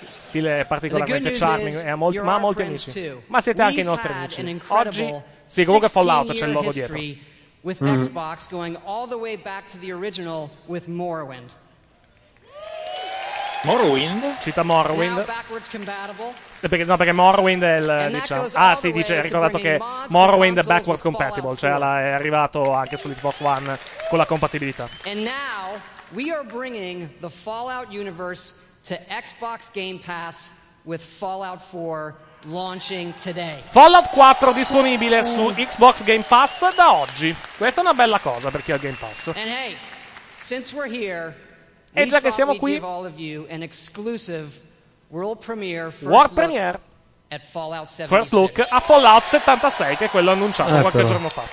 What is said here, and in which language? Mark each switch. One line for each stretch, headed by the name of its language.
Italian: Phil è particolarmente charming, ma ha molti amici. Ma siete anche i nostri amici. Oggi, sì, comunque Fallout c'è il logo dietro.
English: With Xbox going all the way back to the original with Morrowind.
Italian: Morrowind? Cita Morrowind.
English: Backwards compatible.
Italian: Perché, no, perché Morrowind è il, diciamo. Ah, sì, dice, ha ricordato che Morrowind è
English: backwards compatible,
Italian: cioè è arrivato anche sull'Xbox One con la compatibilità.
English: And now we are bringing the Fallout universe to Xbox Game Pass with Fallout 4 launching today.
Italian: Fallout 4 disponibile su Xbox Game Pass da oggi. Questa è una bella cosa per chi ha il Game Pass.
English: And hey, since we're here,
Italian: E già che siamo qui,
English: world premiere, first look
Italian: a Fallout 76, che è quello annunciato qualche giorno fa.